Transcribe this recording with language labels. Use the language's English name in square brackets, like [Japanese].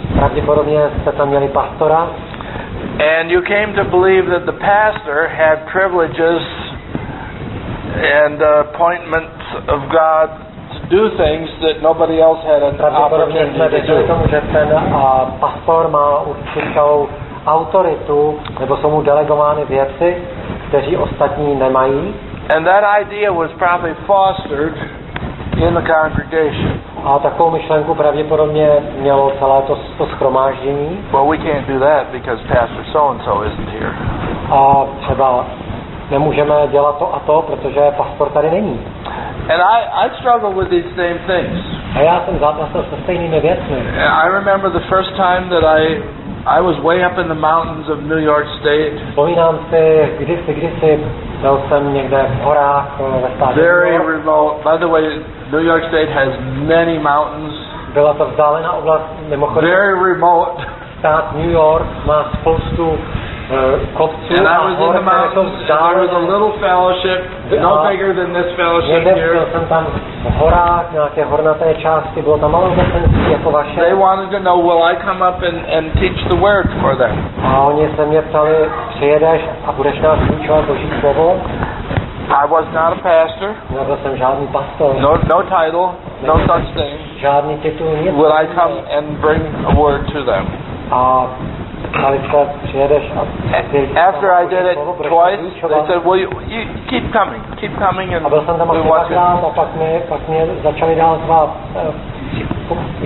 [English] And you came to believe that the pastor had privileges and appointments of God to do things that nobody else had an opportunity to do. [Czech] Pastor má určitou autoritu, nebo jsou mu delegovány věci, kteří ostatní nemají. [English] And that idea was probably fostered in the congregation. [Czech] A takovou myšlenku pravděpodobně mělo celé to shromáždění. [English] Well, we can't do that because Pastor so-and-so isn't here. [Czech] A třeba nemůžeme dělat to a to, protože pastor tady není. [English] And I struggle with these same things. [Czech] A já jsem zápasil se stejnými věcmi. [English] I remember the first time that I was way up in the mountains of New York State. [Czech] Pomínám si, kdysi byl jsem někde v horách ve státě. [English] Very remote. By the way, New York State has many mountains. [Czech] Byla to vzdálená oblast, mimochodem. [English] Very remote. [Czech] Stát New York má spoustu kopců. [English] And I was in the mountains. There was a little fellowship, no bigger than this fellowship here. [Czech] Byl jsem tam v horách, nějaké hornaté části, bylo tam malé zastoupení jako vaše. [English] They wanted to know, will I come up and teach the word for them? [Czech] A oni se mě ptali, přijedeš a budeš nás vyučovat Boží slovo? [English] I was not a pastor. [Czech] Nebyl jsem žádný pastor. [English] No title, no such thing. [Czech] Žádný titul, nic. [English] Will I come and bring a word to them? A after I did it twice, they said, "Well, you keep coming, and we want you."